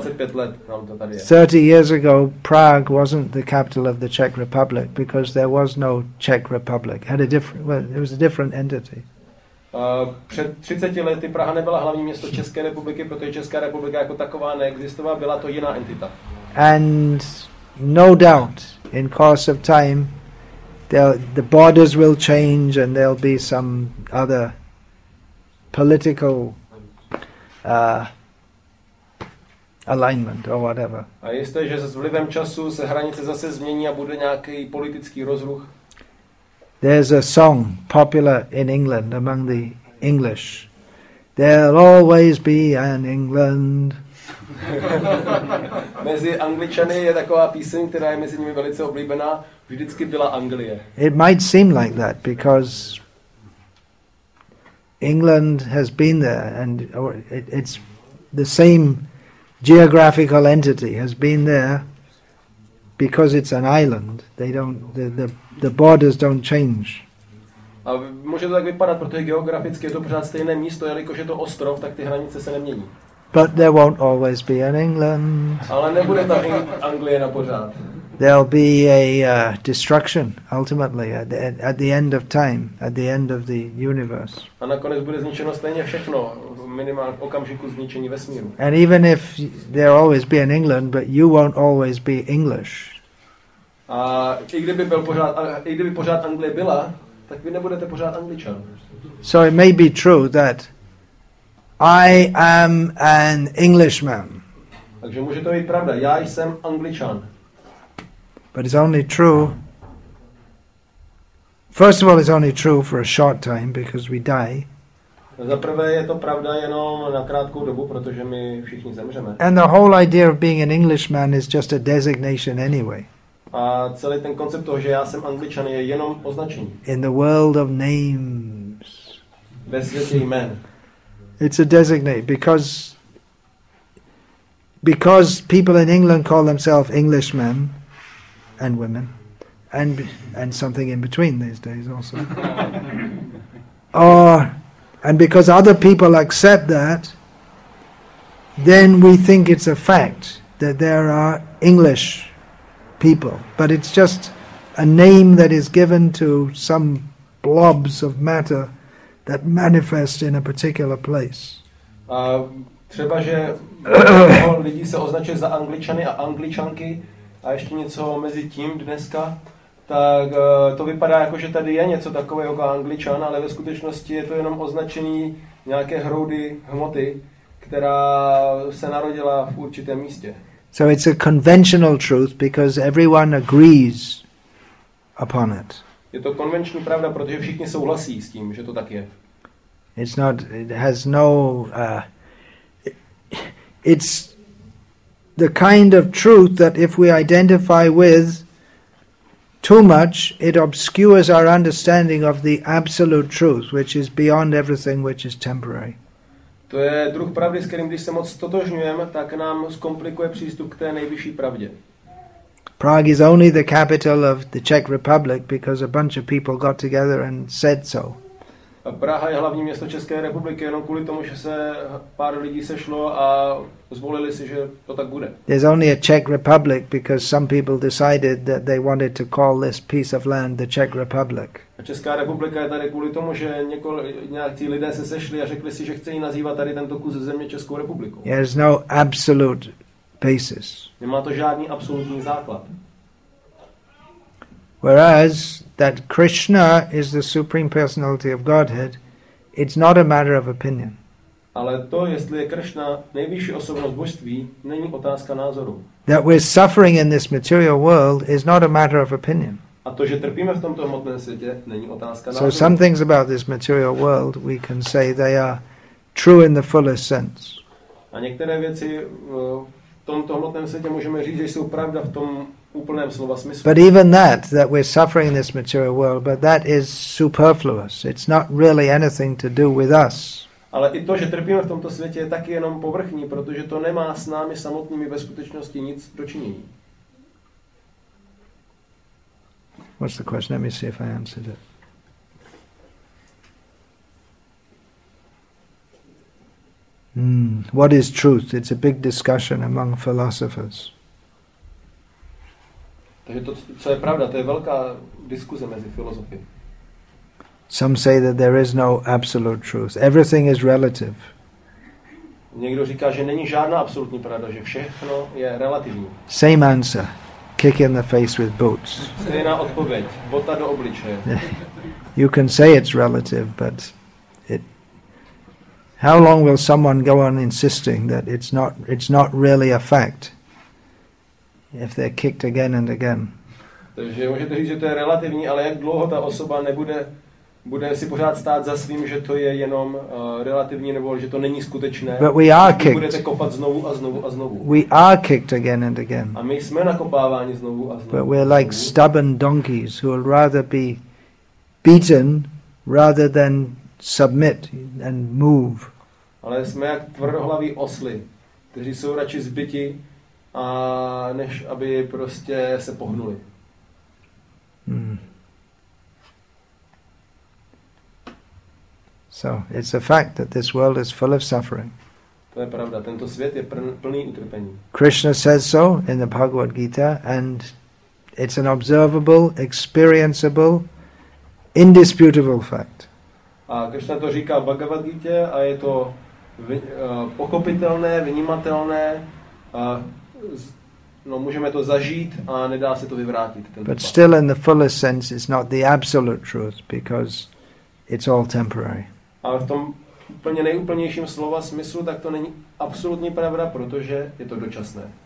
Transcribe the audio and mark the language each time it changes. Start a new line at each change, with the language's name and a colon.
English: 30 years ago, Prague wasn't the capital of the Czech Republic because there was no Czech Republic. It was a different entity.
Czech: Před 30 lety Praha nebyla hlavní město České republiky, protože Česká republika jako taková neexistovala, byla to jiná entita.
English: And no doubt, in course of time, the borders will change and there'll be some other political alignment or whatever.
Czech: A jisté, že s vlivem času se hranice zase změní a bude nějaký politický rozruch.
English: There's a song popular in England among the English. There'll always be an England.
Czech: Mezi Angličany je taková píseň, která je mezi nimi velice oblíbená. Vždycky byla Anglie.
English: It might seem like that because England has been there and it's the same geographical entity has been there. Because it's an island, the borders don't change.
Czech: A může to tak vypadat, protože geograficky je to pořád stejné místo, jelikož je to ostrov, tak ty hranice se nemění.
English: But there won't always be an England.
Czech: Ale nebude tam Anglie na pořád.
English: There'll be a destruction ultimately at the end of time, at the end of the universe.
Czech: A nakonec bude zničeno stejně všechno, minimálně okamžiku zničení vesmíru.
English: And even if there always be an England, but you won't always be English.
Czech: A i kdyby pořád Anglie byla, tak vy nebudete pořád Angličan.
English: So it may be true that I am an Englishman.
Czech: Takže může to být pravda, já jsem Angličan.
English: But it's only true, first of all, it's only true for a short time because we die.
Czech: Za prvé je to pravda jenom na krátkou dobu, protože my všichni zemřeme.
English: And the whole idea of being an Englishman is just a designation anyway.
Czech: A celý ten koncept toho, že já jsem Angličan, je jenom označení.
English: In the world of names.
Czech: Ve světě jmen.
English: It's a designate because people in England call themselves Englishmen. And women, and something in between these days also. And because other people accept that, then we think it's a fact that there are English people. But it's just a name that is given to some blobs of matter that manifest in a particular place.
Czech: Třeba, že lidi se označují za Angličany a Angličanky, a ještě něco mezi tím dneska, tak to vypadá jako, že tady je něco takového jako Angličan, ale ve skutečnosti je to jenom označení nějaké hroudy hmoty, která se narodila v určitém místě.
English: So it's a conventional truth, because everyone agrees upon it.
Czech: Je to konvenční pravda, protože všichni souhlasí s tím, že to tak je.
English: It's not, it has no, it's the kind of truth that if we identify with too much, it obscures our understanding of the absolute truth, which is beyond everything which is temporary.
Czech: To je druh pravdy, s kterým, když se moc totožňujeme, tak nám zkomplikuje přístup k té nejvyšší pravdě.
English: Prague is only the capital of the Czech Republic because a bunch of people got together and said so.
Czech: Praha je hlavní město České republiky jenom kvůli tomu, že se pár lidí sešlo a zvolili si, že to tak bude.
English: There's only a Czech Republic because some people decided that they wanted to call this piece of land the Czech Republic.
Czech: Česká republika je tady kvůli tomu, že nějací lidé se sešli a řekli si, že chtějí nazývat tady tento kus země Českou republikou.
English: There's no absolute basis.
Czech: Nemá to žádný absolutní základ.
English: Whereas that Krishna is the supreme personality of Godhead, it's not a matter of opinion.
Czech: Ale to, jestli je Krishna nejvyšší osobnost božství, není otázka názoru.
English: That we're suffering in this material world is not a matter of opinion.
Czech: A to, že trpíme v tomto hmotném světě, není otázka názoru.
English: So some things about this material world we can say they are true in the fullest sense.
Czech: A některé věci v tomto hmotném světě můžeme říct, že jsou pravda v tom úplném slova smyslu.
English: But even that we're suffering in this material world, but that is superfluous. It's not really anything to do with us.
Czech: Ale i to, že trpíme v tomto světě, je taky jenom povrchní, protože to nemá s námi samotnými ve skutečnosti nic dočinění.
English: What's the question? Let me see if I answered it. What is truth? It's a big discussion among philosophers.
Czech: Takže to, co je pravda, to je velká diskuze mezi filozofy.
English: Some say that there is no absolute truth. Everything is relative.
Czech: Někdo říká, že není žádná absolutní pravda, že všechno je relativní.
English: Same answer. Kick in the face with boots.
Czech: Stejná odpověď. Bota do obličeje.
English: You can say it's relative, but how long will someone go on insisting that it's not really a fact if they're kicked again and again?
Czech: Takže můžete říct, že to je relativní, ale jak dlouho ta osoba bude si pořád stát za svým, že to je jenom relativní, nebo že to není skutečné?
English: But we are kicked.
Czech: Budete kopat znovu a znovu a znovu.
English: We are kicked again and again.
Czech: A my jsme nakopáváni znovu a znovu.
English: But we're like stubborn donkeys who would rather be beaten rather than submit and move.
Czech: Ale jsme jak tvrdohlaví osly, kteří jsou radši zbiti, a než aby prostě se pohnuli.
English: So it's a fact that this world is full of suffering.
Czech: To je pravda, tento svět je plný utrpení.
English: Krishna says so in the Bhagavad Gita, and it's an observable, experienceable, indisputable fact.
Czech: A Krishna to říká v Bhagavad Gita a je to pochopitelné, vnímatelné, no můžeme to zažít a nedá se to vyvrátit.
English: But still in the fullest sense it's not the absolute truth because it's all temporary.
Czech: Ale v tom úplně nejúplnějším slova smyslu, tak to není absolutní pravda, protože je to dočasné.